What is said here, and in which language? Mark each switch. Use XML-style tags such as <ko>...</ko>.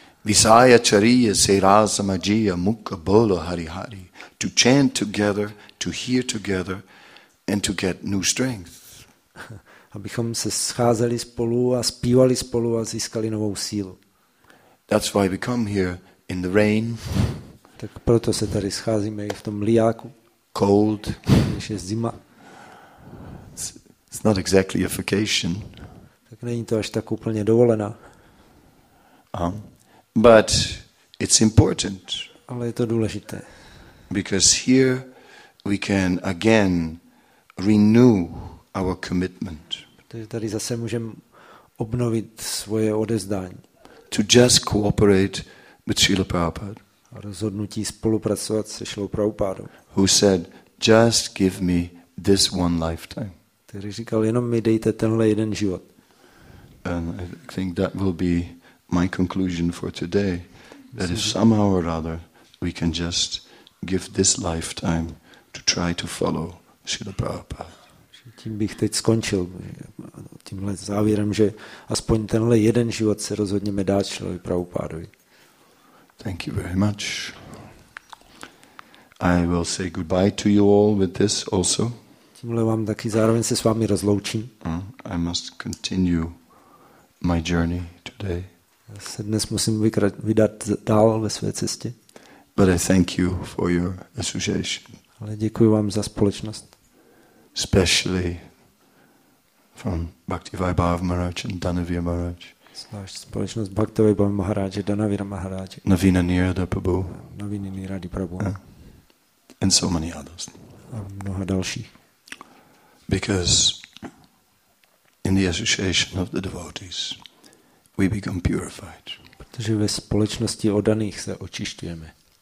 <bn>Visaya chariya se rasa magia mukha bolo hari hari.</bn> <en>To chant together, to hear together and to get new strength.</en> <cs>Abychom se scházeli spolu a zpívali spolu a získali novou sílu.</cs> <en>That's why we come here in the rain.</en> <cs>Tak proto se tady scházíme i v tom liáku.</cs> <en>Cold.</en> <cs>Když je zima.</cs> <en>It's not exactly a vacation.</en> <cs>Tak není to až tak úplně dovolená.</cs> <en>But it's important.</en> <cs>Ale je to důležité.</cs> <en>Because here we can again renew our commitment.</en> <cs>Protože tady zase můžeme obnovit svoje odevzdání.</cs> <en>To just cooperate with Srila Prabhupada.</en> <cs>Rozhodnutí spolupracovat se Srilou Prabhupádou.</cs> <en>Who said, just give me this one lifetime.</en> <cs>Který říkal, jenom mi dejte tenhle jeden život.</cs> <en>And I think that will be my conclusion for today. That if somehow or other we can just give this lifetime to try to follow Srila Prabhupada.</en> <cs>Tím bych teď skončil. Tímhle závěrem, že aspoň tenhle jeden život se rozhodněme dát Srilovi Prabhupádovi.</cs> <en>Thank you very much. I will say goodbye to you all with this also.</en> <cs>Tímhle vám taky zároveň se s vámi rozloučím.</cs> <en>I must continue my journey today.</en> <cs>Já se dnes musím vydat dál ve své cestě.</cs> <en>But I thank you for your association.</en> <cs>Ale děkuji vám za společnost.</cs> <en>Especially from Bhaktivaibhava Maharaj and Dhanavir Maharaj.</en> <cs>Zvlášť společnost Bhaktivaibhava Maharaj a Dhanavira Maharaj.</cs> <en>Navina Nirada Prabhu. Navina Nirada Prabhu. Yeah. And so many others.</en> <cs>A mnoha dalších.</cs> <en>Because in the association of the devotees, we become purified.</en> <cs>Protože ve společnosti oddaných se očišťujeme.</cs>